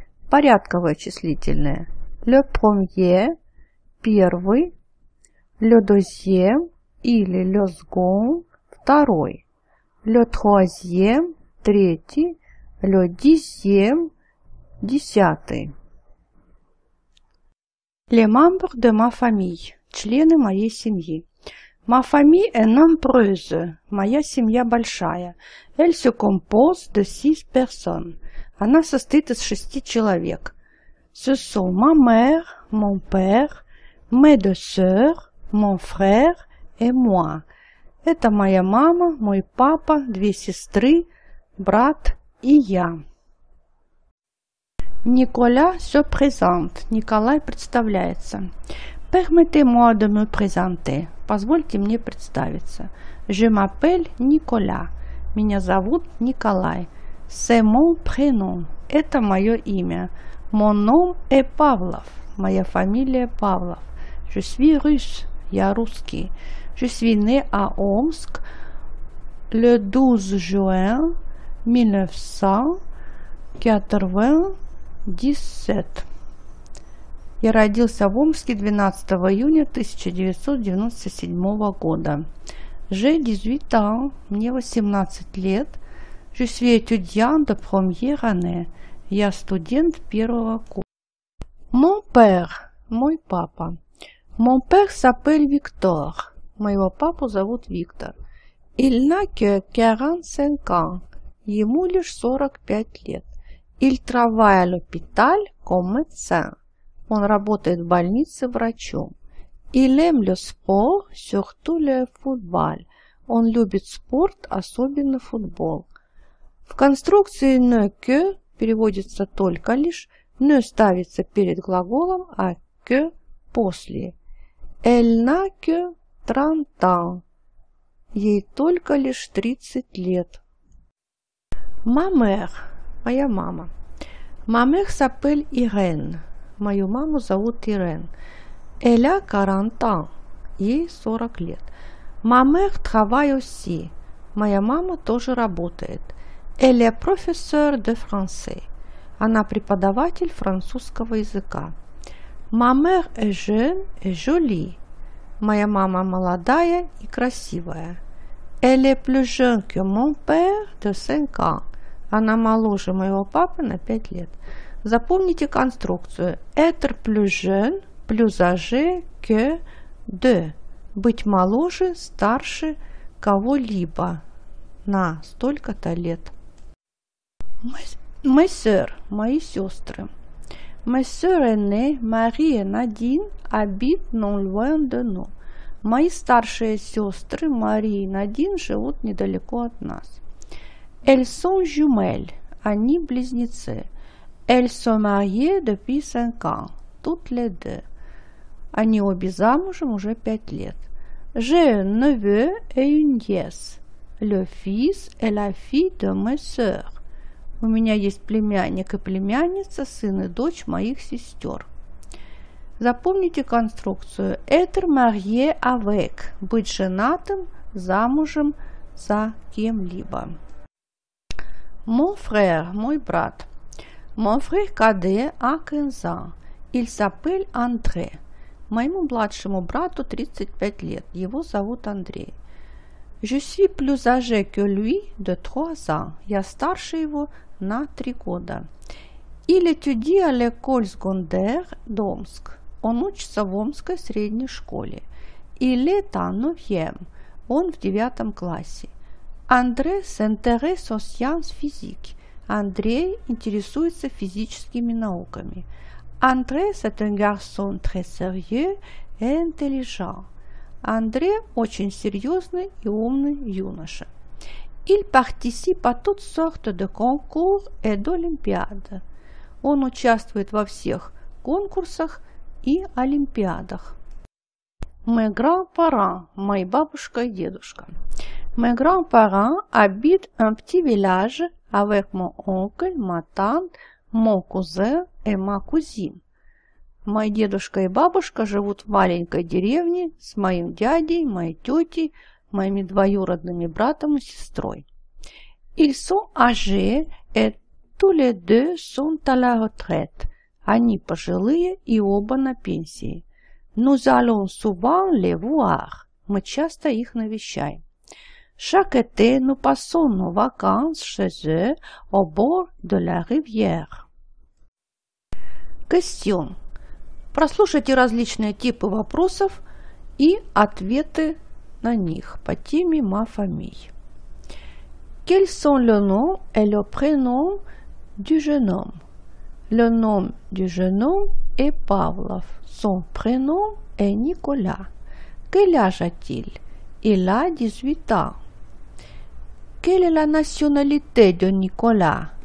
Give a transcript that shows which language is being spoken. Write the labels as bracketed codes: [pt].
[ru] Порядковое числительное. [fr] Le premier, [ru] первый. [fr] Le deuxième [ru] или [fr] le second, [ru] второй. [fr] Le troisième, [ru] третий. [fr] Le dixième, [ru] десятый. [fr] Les membres de ma famille. [ru] Члены моей семьи. [fr] Ma famille est nombreuse. [ru] Моя семья большая. [fr] Elle se compose de six personnes. [ru] Она состоит из шести человек. [fr] Ce sont ma mère, mon père, mes deux sœurs, mon frère et moi. [ru] Это моя мама, мой папа, две сестры, брат и я. [fr] Nicolas se présente. [ru] Николай представляется. [fr] Permettez-moi de me présenter. [ru] Позвольте мне представиться. [fr] Je m'appelle Nicolas. [ru] Меня зовут Николай. [fr] C'est mon prénom. [ru] Это мое имя. [fr] Mon nom est Pavlov. [ru] Моя фамилия Павлов. [fr] Je suis russe. [ru] Я русский. [fr] Je suis né à Омск le 12 juin 1997. [ru] Я родился в Омске 12 июня 1997 года. [fr] J'ai 18 ans. [ru] Мне 18 лет. [fr] Je suis étudiant de première année. [ru] Я студент первого курса. [fr] Mon père. [ru] Мой папа. [fr] Mon père s'appelle Victor. [ru] Моего папу зовут Виктор. [fr] Il n'a que 45 ans. [ru] Ему лишь 45 лет. [fr] Il travaille à l'hôpital comme médecin. [ru] Он работает в больнице врачом. [fr] Il aime le sport, surtout le football. [ru] Он любит спорт, особенно футбол. В конструкции «ne que» переводится только лишь, но ставится перед глаголом, а «que» после. [fr] «Elle n'a que 30 ans». [ru] Ей только лишь 30 лет. [fr] «Ma mère» [ru] – моя мама. [fr] «Ma mère s'appelle Irène». [ru] Мою маму зовут Ирен. [fr] «Elle a 40 ans». [ru] Ей 40 лет. [fr] «Ma mère travaille aussi». [ru] Моя мама тоже работает. [fr] «Elle est professeur de français». [ru] Она преподаватель французского языка. [fr] «Ma mère est jeune et jolie». [ru] Моя мама молодая и красивая. [fr] «Elle est plus jeune que mon père de 5 ans». [ru] Она моложе моего папы на 5 лет. Запомните конструкцию. [fr] «Être plus jeune, plus âgé que de». [ru] Быть моложе, старше кого-либо на столько-то лет. [fr] Mes sœurs, [ru] мои сестры. [fr] Mes sœurs aînées, Marie et Nadine, habitent non loin de nous. [ru] Мои старшие сестры Мария и Надин живут недалеко от нас. [fr] Elles sont jumelles, [ru] они близнецы. [fr] Elles sont mariées depuis 5 ans, toutes les deux. [ru] Они обе замужем уже 5 лет. [fr] J'ai un neveu et une nièce. Le fils est la fille de mes sœurs. [ru] У меня есть племянник и племянница, сын и дочь моих сестер. Запомните конструкцию. [fr] Être marié avec. [ru] Быть женатым, замужем за кем-либо. [fr] Mon frère. [ru] Мой брат. [fr] Mon frère cadet a 15 ans. Il s'appelle André. [ru] Моему младшему брату 35 лет. Его зовут Андрей. [fr] Je suis plus âgé que lui de 3 ans. [ru] Я старше его на 3 года. [fr] Il étudie à l'école secondaire d'Omsk. [ru] Он учится в Омской средней школе. [fr] Il est en 9e. [ru] Он в 9 классе. [fr] André s'intéresse aux sciences physiques. [ru] Андрей интересуется физическими науками. [fr] André c'est un garçon très sérieux et intelligent. [ru] André очень серьезный и умный юноша. [fr] Il participe à toutes sortes de concours et d'olympiades. [ru] Он участвует во всех конкурсах и олимпиадах. [fr] Mes grands-parents, [ru] мои бабушка и дедушка. [fr] Mes grands-parents habitent un petit village avec mon oncle, ma tante, mon cousin et ma cousine. [ru] Мои дедушка и бабушка живут в маленькой деревне с моим дядей, моей тетей, моими двоюродными братом и сестрой. [fr] Ils sont âgés et tous les deux sont à la retraite. [ru] Они пожилые и оба на пенсии. [fr] Nous allons souvent les voir. [ru] Мы часто их навещаем. [fr] Chaque été, nous passons nos vacances chez eux au bord de la rivière. Question. [ru] Прослушайте различные типы вопросов и ответы на них по теме [fr] «Ma famille». Quels sont le nom et le prénom du jeune homme? Le nom du jeune homme est Pavlov. Son prénom est Nicolas. Quel âge a-t-il? Il a 18 ans. Quelle est la nationalité de Nicolas?